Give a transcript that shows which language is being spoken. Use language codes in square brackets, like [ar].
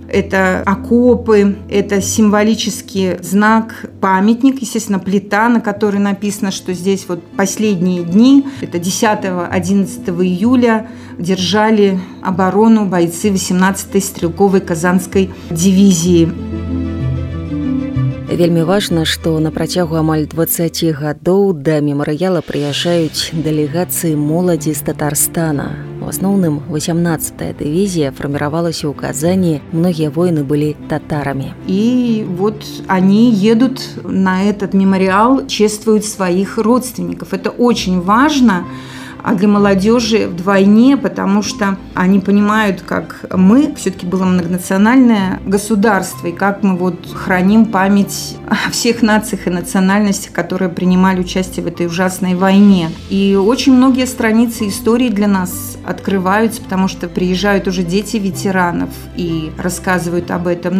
[ru] Это окопы, это символический знак, памятник, естественно, плита, на которой написано, что здесь вот последние дни, это 10-11 июля, держали оборону бойцы 18-й стрелковой казанской дивизии. [be] Вельмі важна, што на працягу амаль 20 гадоў да мемарыяла прыязджаюць дэлегацыі моладзі з Татарстана. У асноўным 18-я дывізія фарміравалася ў Казані, многія воіны былі татарамі. І [ru] вот они [be] едуць на [ru] этот [be] мемарыял, чэствуюць сваіх родственнікаў. [ru] Это очень важна. А для молодежи вдвойне, потому что они понимают, как мы, все-таки было многонациональное государство, и как мы вот храним память о всех нациях и национальностях, которые принимали участие в этой ужасной войне. И очень многие страницы истории для нас открываются, потому что приезжают уже дети ветеранов и рассказывают об этом.